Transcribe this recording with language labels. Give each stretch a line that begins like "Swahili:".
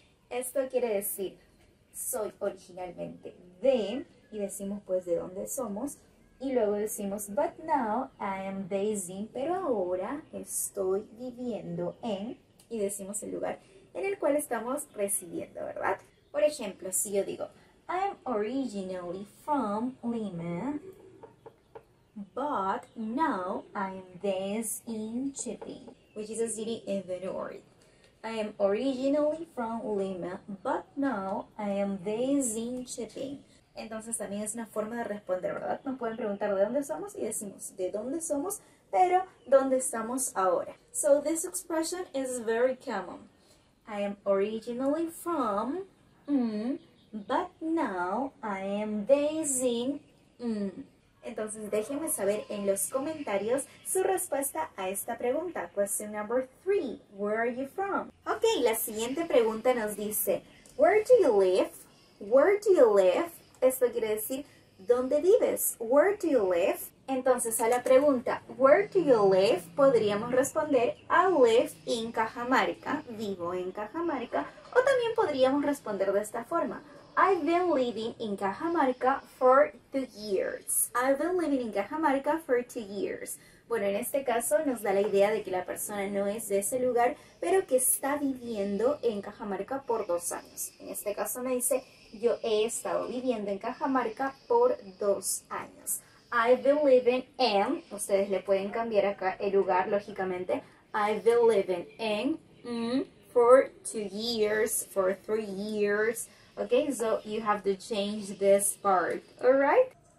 Spanish: Esto quiere decir, soy originalmente de, y decimos pues de dónde somos, y luego decimos,
English: but now I am basing,
Spanish: pero ahora estoy viviendo en, y decimos el lugar en el cual estamos residiendo, ¿verdad? Por ejemplo, si yo digo,
English: I am originally from Lima, but now I am based in Chipping, which is a city in the north. I am originally from Lima, but now I am based in Chipping.
Spanish: Entonces también es una forma de responder, ¿verdad? Nos pueden preguntar de dónde somos y decimos de dónde somos, pero ¿dónde estamos ahora?
English: So this expression is very common. I am originally from, but now I am basing.
Spanish: Entonces déjenme saber en los comentarios su respuesta a esta pregunta.
English: Question number three, where are you from?
Spanish: Ok, la siguiente pregunta nos dice,
English: where do you live? Where do you live?
Spanish: Esto quiere decir, ¿dónde vives?
English: Where do you live?
Spanish: Entonces, a la pregunta,
English: where do you live?
Spanish: Podríamos responder,
English: I live in Cajamarca.
Spanish: Vivo en Cajamarca. O también podríamos responder de esta forma.
English: I've been living in Cajamarca for 2 years. I've been living in Cajamarca for 2 years.
Spanish: Bueno, en este caso nos da la idea de que la persona no es de ese lugar, pero que está viviendo en Cajamarca por 2 años. En este caso me dice, yo he estado viviendo en Cajamarca por 2 años.
English: I've been living in,
Spanish: ustedes le pueden cambiar acá el lugar, lógicamente.
English: I've been living in for 2 years, for 3 years. Okay, so you have to change this part, alright?